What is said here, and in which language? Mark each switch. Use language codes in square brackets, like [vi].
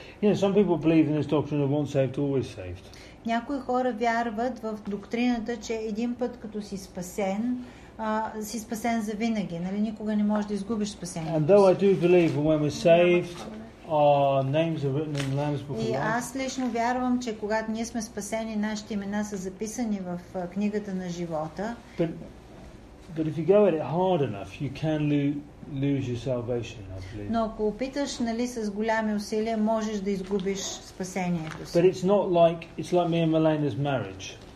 [en] You know, some people believe in this doctrine of once saved, always saved. [bg] Някои хора вярват в доктрината, че един път като си спасен, си спасен за винаги, нали? Никога не можеш да изгубиш спасението. [en] And though I do believe when we're saved, our names are written in the Lamb's Book of Life. [bg] И аз лично вярвам, че когато ние сме спасени, нашите имена са записани в книгата на живота. [en] But if you go at it hard enough, you can lose your salvation, I believe. [bg] Но ако опиташ, нали, с големи усилия, можеш да изгубиш спасението си. [en] But it's not like it's like me and Melania's marriage.